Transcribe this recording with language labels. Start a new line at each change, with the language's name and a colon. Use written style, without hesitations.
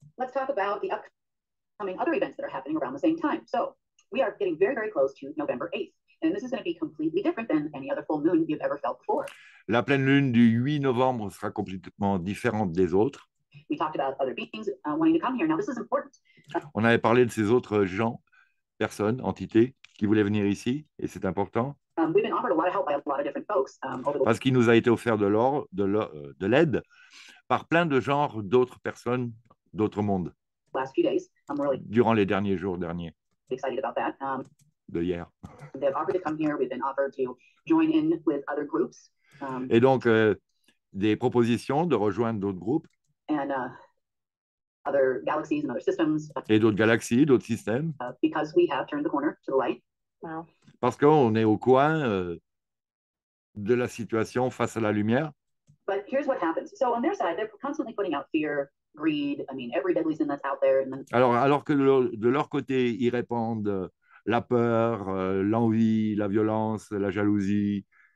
English: Let's talk about the upcoming other events that are happening around the same time. So, we are getting very, very close to November 8th. And this is going to be completely different than any other full moon you've ever felt before.
French: La pleine lune du 8 novembre sera complètement différente des autres.
English: We talked about other beings wanting to come here. Now, this is important.
French: On avait parlé de ces autres gens, personnes, entités, qui voulaient venir ici, et c'est important.
English: We've been offered a lot of help by a lot of different folks.
French: Parce qu'il nous a été offert de l'aide par plein de genres d'autres personnes, d'autres mondes.
English: Last few days, I'm really
French: durant les derniers jours derniers.
English: Excited about that.
French: De hier.
English: They've offered to come here. We've been offered to join in with other groups.
French: Et donc, des propositions de rejoindre d'autres groupes.
English: And other galaxies and other systems.
French: Et d'autres galaxies, d'autres systèmes.
English: Because we have turned the corner to the light. Wow.
French: Parce qu'on est au coin de la situation face à la lumière.
English: But here's what happens. So on their side, they're constantly putting out fear, greed. I mean, every deadly sin that's out there. And then...
French: Alors que de leur côté, ils répandent la peur, l'envie, la violence, la jalousie.